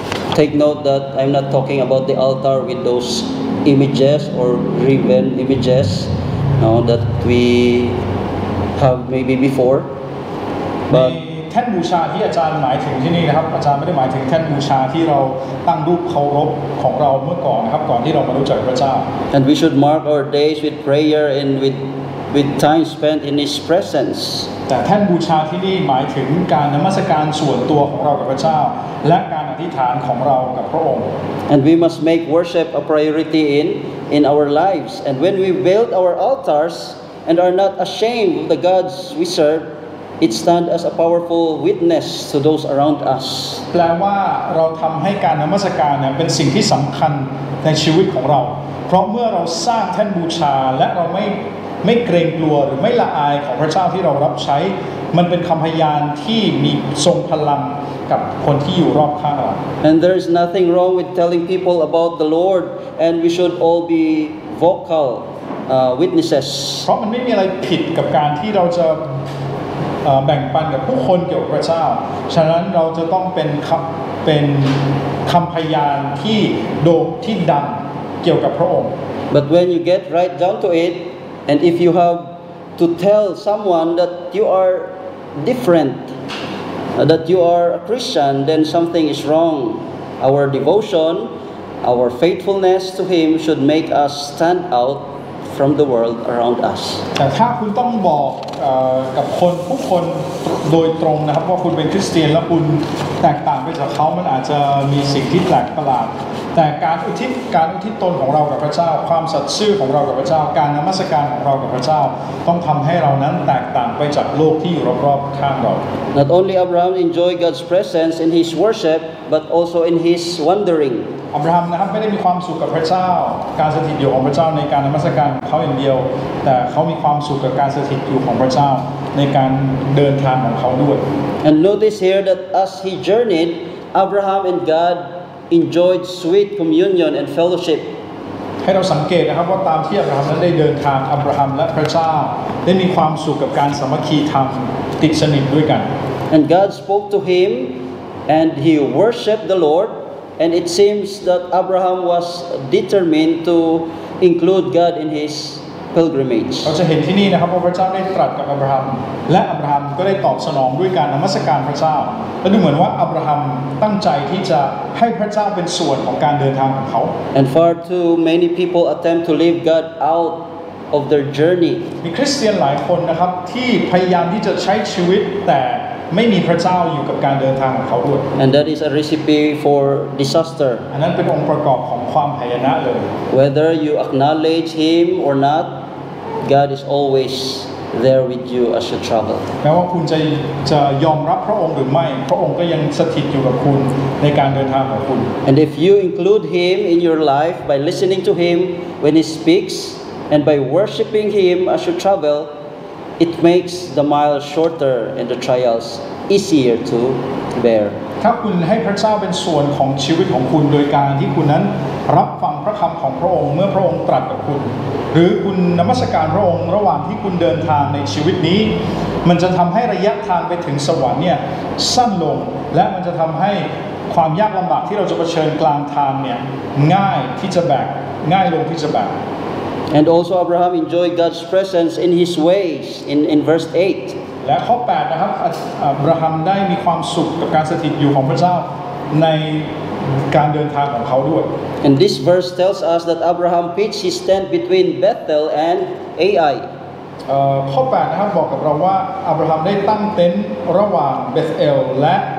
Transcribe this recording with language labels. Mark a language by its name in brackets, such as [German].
[English] Take note that I'm not talking about the altar with those images or graven images. Now that we have maybe before but [Thai] แท่นบูชาที่อาจารย์หมายถึงที่นี่นะครับอาจารย์ไม่ได้หมายถึงแท่นบูชาที่เราตั้งรูปเคารพของเราเมื่อก่อนนะครับก่อนที่เรามารู้จักพระเจ้า [English] and we should mark our days with prayer and with time spent in his presence [Thai] แต่แท่นบูชาที่นี่หมายถึงการนมัสการส่วนตัวของเรากับพระเจ้าและการอธิษฐานของเรากับพระองค์ [English] and we must make worship a priority in our lives and when we build our altarsAnd are not ashamed of the gods we serve, it stands as a powerful witness to those around us. [Thai] แปลว่าเราทำให้การนมัสการเนี่ยเป็นสิ่งที่สำคัญในชีวิตของเราเพราะเมื่อเราสร้างแท่นบูชาและเราไม่เกรงกลัวหรือไม่ละอายของพระเจ้าที่เรารับใช้มันเป็นคำพยานที่มีทรงพลังกับคนที่อยู่รอบข้างเรา [English] And there is nothing wrong with telling people about the Lord, and we should all be vocal. Witnesses. [Thai] เพราะมันไม่มีอะไรผิดกับการที่เราจะแบ่งปันกับผู้คนเกี่ยวกับพระเจ้าฉะนั้นเราจะต้องเป็นคำพยานที่โด่งที่ดังเกี่ยวกับพระองค์ [English] But when you get right down to it, and if you have to tell someone that you are different, that you are a Christian, then something is wrong. Our devotion, our faithfulness to Him should make us stand out. From the world around us. [Thai] แต่ถ้าคุณต้องบอกกับคนผู้คนโดยตรงนะครับว่าคุณเป็นคริสเตียนแล้วคุณแตกต่างไปจากเขามันอาจจะมีสิ่งที่แปลกประหลาด แต่การอุทิศตนของเรากับพระเจ้าความสัตย์ซื่อของเรากับพระเจ้าการนมัสการของเรากับพระเจ้าต้องทำให้เรานั้นแตกต่างไปจากโลกที่อยู่รอบๆข้างเรา [English] Not only Abraham enjoyed God's presence in his worship but also in his wandering [Thai] อับราฮัมนะครับไม่ได้มีความสุขกับพระเจ้าการสถิตอยู่ของพระเจ้าในการนมัสการเขาอย่างเดียวแต่เขามีความสุขกับการสถิตอยู่ของพระเจ้าในการเดินทางของเขาด้วย [English] And notice here that as he journeyed Abraham and Godenjoyed sweet communion and fellowship [Thai] ให้เราสังเกตนะครับว่าตามที่อับราฮัมนั้นได้เดินทางอับราฮัมและพระเจ้าได้มีความสุขกับการสามัคคีธรรมติดสนิทด้วยกัน [English] and God spoke to him and he worshiped the Lord and it seems that Abraham was determined to include God in his pilgrimage [Thai] เราจะเห็นที่นี่นะครับว่าพระเจ้าได้ตรัสกับอับราฮัมและอับราฮัมก็ได้ตอบสนองด้วยการนมัสการพระเจ้าและดูเหมือนว่าอับราฮัมตั้งใจที่จะให้พระเจ้าเป็นส่วนของการเดินทางของเขา [English] And far too many people attempt to leave God out of their journey [Thai] มีคริสเตียนหลายคนนะครับที่พยายามที่จะใช้ชีวิตแต่ไม่มีพระเจ้าอยู่กับการเดินทางของเขาด้วย [English] And that is a recipe for disaster [Thai] อันนั้นเป็นองค์ประกอบของความพยานะเลย [English] Whether you acknowledge him or not God is always there with you as you travel [Thai] แม้ว่าคุณจะยอมรับพระองค์หรือไม่พระองค์ก็ยังสถิตอยู่กับคุณในการเดินทางของคุณ [English] And if you include him in your life by listening to him when he speaks and by worshiping him as you travel it makes the miles shorter and the trials easier to bear [Thai] ถ้าคุณให้พระเจ้าเป็นส่วนของชีวิตของคุณโดยการที่คุณนั้นรับฟังพระคำของพระองค์เมื่อพระองค์ตรัสกับคุณหรือคุณนมัสการพระองค์ระหว่างที่คุณเดินทางในชีวิตนี้มันจะทำให้ระยะทางไปถึงสวรรค์เนี่ยสั้นลงและมันจะทำให้ความยากลำบากที่เราจะเผชิญกลางทางเนี่ยง่ายที่จะแบกง่ายลงที่จะแบก [English] And also Abraham enjoyed God's presence in his ways in verse 8 [Thai] และข้อ8นะครับอับราฮัมได้มีความสุขกับการสถิตอยู่ของพระเจ้าในการเดินทางของเขาด้วย [English] And this verse tells us that Abraham pitched his tent between Bethel and Ai. [Thai] ข้อ8นะครับบอกกับเราว่าอับราฮัมได้ตั้งเต็นท์ระหว่างเบธเอลและ